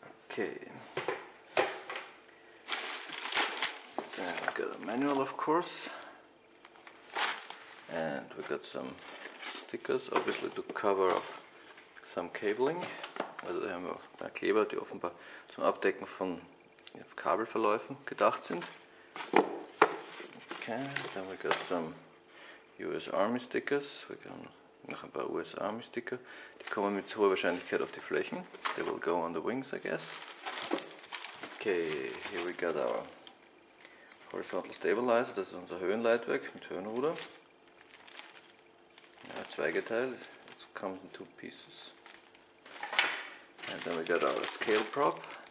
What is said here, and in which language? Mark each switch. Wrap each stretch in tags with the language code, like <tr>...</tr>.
<en>Okay. Then we got a manual, of course. And we got some stickers, obviously to cover up some cabling.</en> <de>Also da haben wir auch ein paar Kleber, die offenbar zum Abdecken von Kabelverläufen gedacht sind.</de> <en>Okay, then we got some US Army Stickers.</en> <de>Wir haben noch ein paar US Army Sticker. Die kommen mit hoher Wahrscheinlichkeit auf die Flächen.</de> <en>They will go on the wings, I guess. Okay, here we got our Horizontal Stabilizer.</en> <de>Das ist unser Höhenleitwerk mit Höhenruder. Ja, zweigeteilt.</de> <en>It comes in two pieces. And then we got our scale prop.</en>